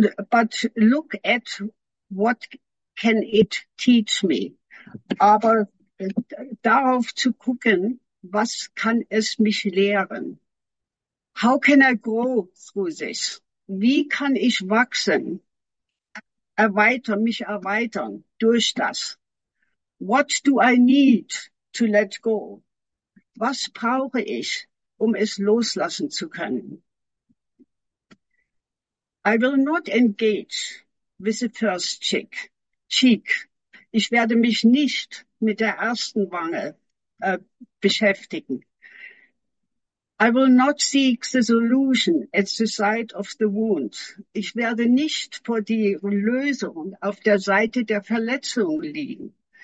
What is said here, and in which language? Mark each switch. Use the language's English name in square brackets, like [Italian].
[English] But look at what can it teach me. [German] Aber darauf zu gucken, was kann es mich lehren? [English] How can I grow through this? [German] Wie kann ich wachsen, mich erweitern durch das? [English] What do I need to let go? [German] Was brauche ich, um es loslassen zu können. [English] I will not engage with the first cheek. [German] Ich werde mich nicht mit der ersten Wange beschäftigen. [English] I will not seek the solution at the side of the wound. [German] Ich werde nicht vor die Lösung auf der Seite der Verletzung liegen.